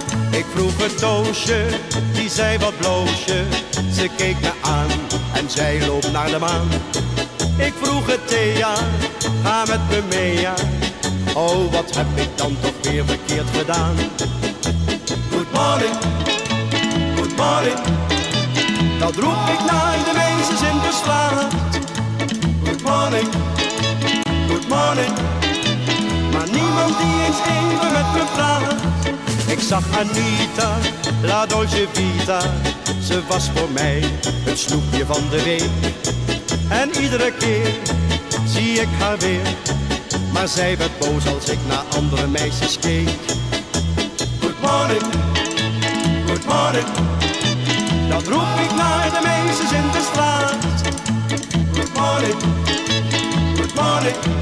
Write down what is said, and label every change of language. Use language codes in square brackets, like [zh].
[nl] Ik vroeg het doosje, die zei wat bloosje. Ze keek me aan en zij loopt naar de maan. Ik vroeg het Thea, ga met me mee, ja. Oh, wat heb ik dan toch weer verkeerd gedaan. [en] Good morning, good morning. [nl] Dat roep ik naar de meisjes in de straat. [en] Good morning, good morning. [nl] Maar niemand die eens even met me praat. Ik zag Anita, [it] la dolce vita. [nl] Ze was voor mij het snoepje van de week. En iedere keer zie ik haar weer. Maar zij werd boos als ik naar andere meisjes keek. [en] Good morning, good morning. [nl] Dat roep ik naar de meisjes in de straat. [en] Good morning, good morning.